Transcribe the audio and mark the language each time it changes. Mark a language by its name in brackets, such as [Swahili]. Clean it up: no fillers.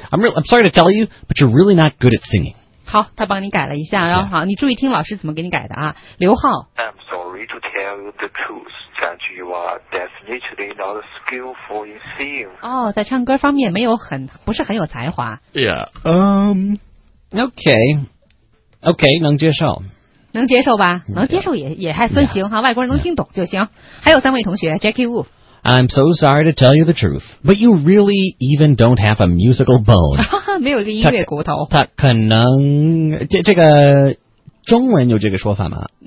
[English] I'm sorry to tell you, but you're really not good at singing. [Chinese] 好，他帮你改了一下哟。好，你注意听老师怎么给你改的啊，刘浩。 [English] I'm sorry to tell you the truth that you are definitely not skillful in singing. [Chinese] 哦，在唱歌方面没有很不是很有才华。 [English] Yeah. Okay. [Chinese] 能接受。能接受吧，能接受也还算行哈，外国人能听懂就行。还有三位同学 ，Jackie Wu。 [English] I'm so sorry to tell you the truth, but you really even don't have a musical bone. [Chinese] 没有一个音乐骨头。他可能这个中文有这个说法吗？